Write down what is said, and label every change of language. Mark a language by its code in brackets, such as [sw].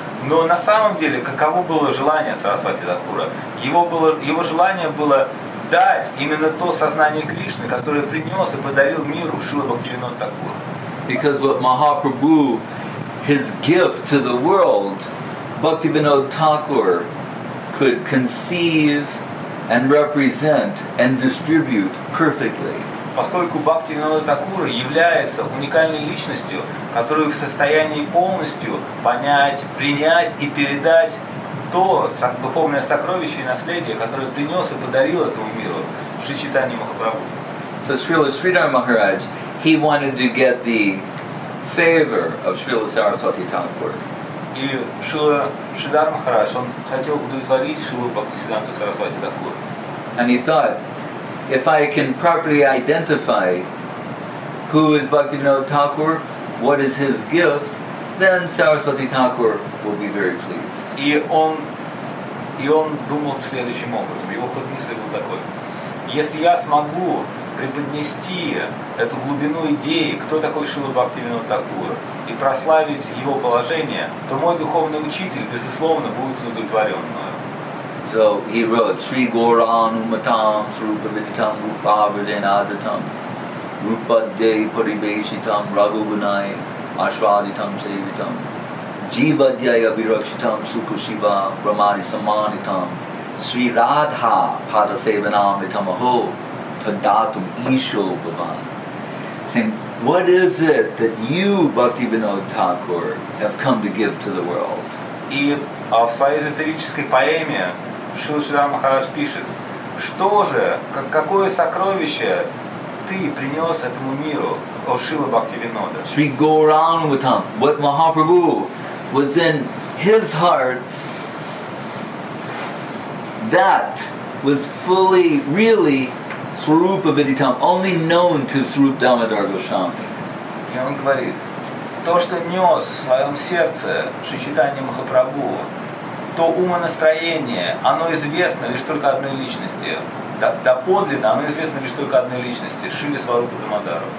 [ru] Но на самом деле, каково было желание Сарасвати Такура? Его желание было дать именно то сознание Кришны, которое принес и подарил миру Шрила Бхактивинода Такура. [en] Because what Mahaprabhu, his gift to the world, Bhaktivinoda Thakur could conceive and represent and distribute perfectly. [ru] Поскольку Бхактивинода Такур является уникальной личностью, которую в состоянии полностью понять, принять и передать то духовное сокровище и наследие, которое принес и подарил этому миру Шри Чайтанья Махапрабху. [en] So Srila Sridhar Maharaj, he wanted to get the favor of Srila Saraswati Thakur. [ru] И Шрила Шридхар Махарадж, он хотел удовлетворить Шрилу Бхактисиддханту Сарасвати Такур. [en] And he thought, if I can properly identify who is Bhaktivinoda Thakur, what is his gift, then Saraswati Thakur will be very pleased. [ru] И он думал следующим образом, его ход мысли был такой: если я смогу преподнести эту глубину идеи, кто такой Шрила Бхактивинода Такур, и прославить его положение, то мой духовный учитель, безусловно, будет удовлетворен мною. [sa] So he wrote Sri Gauranga Matam Srupa Viditam Rupavajanadratam Rupadde Paribeshitam Raghugunai Ashwaditam Sevitam Jivadhyaya Virakshitam Sukushiva Brahmadi Samanitam Sri Radha Padasevanam Vitamaho Tadatum Isho Bhavan. [en] Saying, what is it that you, Bhaktivinoda Thakur, have come to give to the world? [ru] И в своей эзотерической поэме Шрила Шридхар Махарадж пишет, что же, какое сокровище ты принес этому миру, о Шрила Бхактивинода? [sa] Sri Gauranguttam, [en] what Mahaprabhu was in his heart, that was fully, really, [sa] Srupa Viditam, [en] only known to Srupa Damodar Goswami. [ru] И он говорит, то, что нес в своем сердце Шри Чайтанья Махапрабху, то умонастроение, оно известно лишь только одной личности. Доподлинно оно известно лишь только одной личности, Шриле Сварупа Дамодару.